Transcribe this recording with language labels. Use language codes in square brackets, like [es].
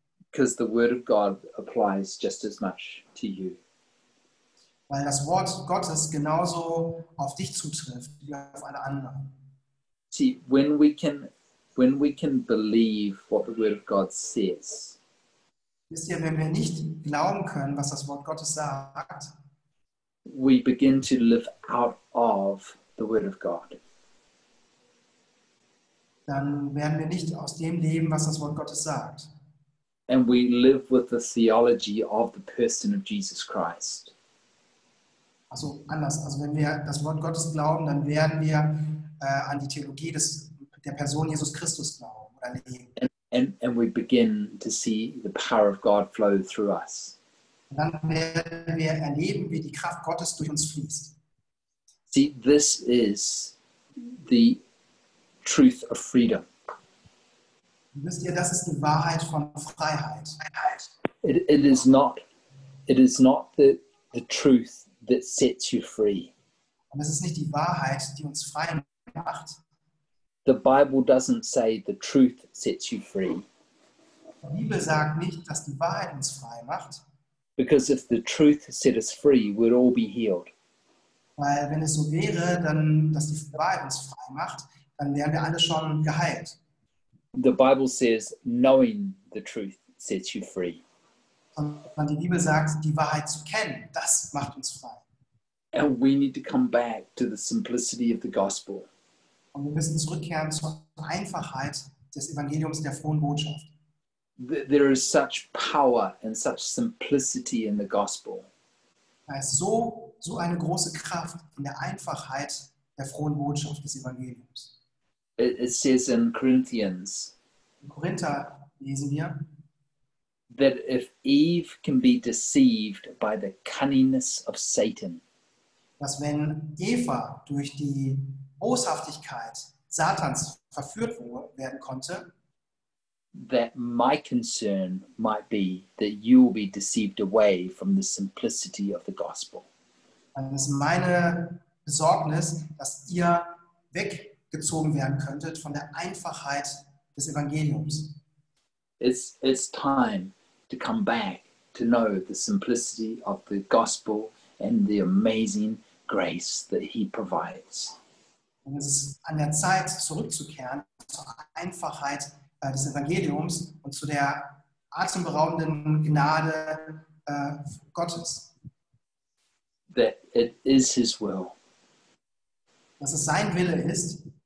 [en] Because the word of God applies just as much to you. [de] Weil das Wort Gottes genauso auf dich zutrifft wie auf alle anderen. [en] See, when we can believe what the word of God says. [de] Wisst ihr, wenn wir nicht glauben können, was das Wort Gottes sagt, [en] we begin to live out of the word of God. [de] Dann werden wir nicht aus dem leben, was das Wort Gottes sagt. [en] And we live with the theology of the person of Jesus Christ. [de] Also anders, also wenn wir das Wort Gottes glauben, dann werden wir an die Theologie der Person Jesus Christus glauben oder leben. [en] And we begin to see the power of God flow through us. [de] Und dann werden wir erleben, wie die Kraft Gottes durch uns fließt. [en] See, this is the truth of freedom. [de] Wisst ihr, das ist die Wahrheit von Freiheit. [en] It is not the truth that sets you free. [de] Und es ist nicht die Wahrheit, die uns frei macht. [en] The Bible doesn't say the truth sets you free. [de] Die Bibel sagt nicht, dass die Wahrheit uns frei macht. [en] Because if the truth set us free, we'd all be healed. [de] Weil wenn es so wäre, dann dass die Wahrheit uns frei macht, dann wären wir alle schon geheilt. [en] The Bible says knowing the truth sets you free. [de] Und die Bibel sagt, die Wahrheit zu kennen, das macht uns frei. [en] And we need to come back to the simplicity of the gospel. [de] Und wir müssen zurückkehren zur Einfachheit des Evangeliums der frohen Botschaft. [en] There is such power and such simplicity in the gospel. [de] Da ist so eine große Kraft in der Einfachheit der frohen Botschaft des Evangeliums. [en] It says in Corinthians. [de] In Korinther lesen wir, [en] that if Eve can be deceived by the cunningness of Satan, [de] dass wenn Eva durch die Boshaftigkeit Satans verführt werden konnte, [en] that my concern might be that you will be deceived away from the simplicity of the gospel. [de] Dann ist meine Besorgnis, dass ihr weggezogen werden könntet von der Einfachheit des Evangeliums. [en] It's time to come back to know the simplicity of the gospel and the amazing grace that he provides. [de] Und es ist an der Zeit, zurückzukehren zur Einfachheit des Evangeliums und zu der atemberaubenden Gnade Gottes. [en] That it is his will. [de] Dass es sein Wille ist.